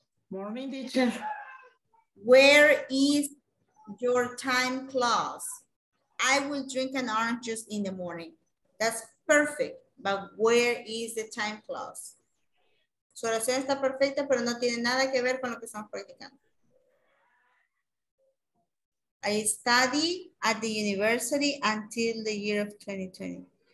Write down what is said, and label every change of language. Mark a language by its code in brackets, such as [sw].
[en] Morning, teacher. Where is your time clause? I will drink an orange juice in the morning. That's perfect. But where is the time clause? [es] Su oración está perfecta, pero no tiene nada que ver con lo que estamos practicando. [en] I study at the university until the year of 2020.